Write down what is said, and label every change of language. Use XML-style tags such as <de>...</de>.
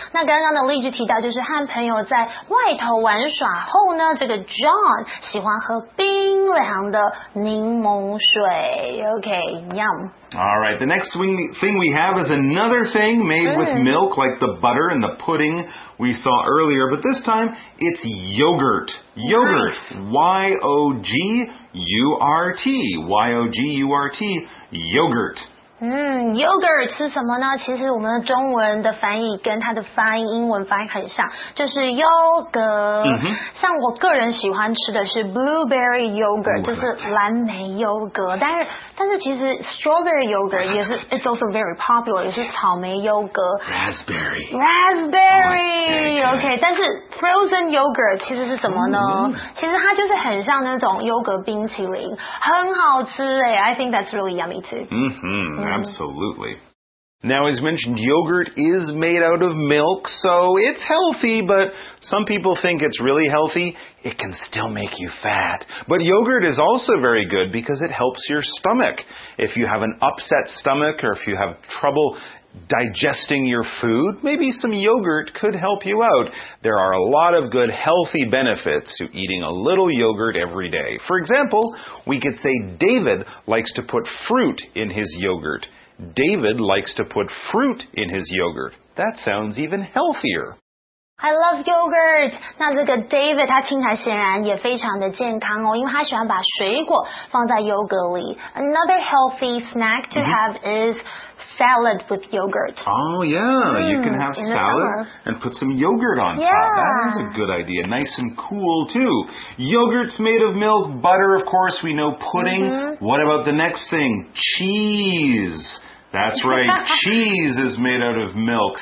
<zh>那刚刚的例句提到就是和朋友在外头玩耍后呢，这个 John 喜欢喝冰凉的柠檬水。</zh> <en>Okay, yum. Alright, the next thing we have is another thing made with milk, like the butter and the pudding we saw earlier, but this time it's yogurt. Yogurt, Y-O-G-U-R-T, Y-O-G-U-R-T, yogurt.</en> <zh>Yogurt 是什么呢？其实我们的中文的翻译跟它的发音英文发音很像，就是优格。像我个人喜欢吃的是 blueberry yogurt, 就是蓝莓优格。但是其实 strawberry yogurt 也是</zh> <en>it's also very popular,</en> <zh>也是草莓优格。</zh> <en>Raspberry.</en> <zh>OK, 但是 frozen yogurt 其实是什么呢？其实它就是很像那种优格冰淇淋，很好吃诶。</zh> <en>I think that's really yummy too. Absolutely. Now, as mentioned, yogurt is made out of milk, so it's healthy, but some people think it's really healthy. It can still make you fat. But yogurt is also very good because it helps your stomach. If you have an upset stomach or if you have trouble digesting your food, maybe some yogurt could help you out. There are a lot of good healthy benefits to eating a little yogurt every day. For example, we could say David likes to put fruit in his yogurt. David likes to put fruit in his yogurt. That sounds even healthier. I love yogurt.</en> <zh>那这个 David 他听起来显然也非常的健康哦，因为他喜欢把水果放在优格里。</zh> <en>Another healthy snack to have is salad with yogurt. Oh yeah, you can have salad and put some yogurt on top. That is a good idea. Nice and cool too. Yogurt's made of milk, butter, of course, we know pudding. What about the next thing? Cheese. That's right, cheese is made out of milk.</en>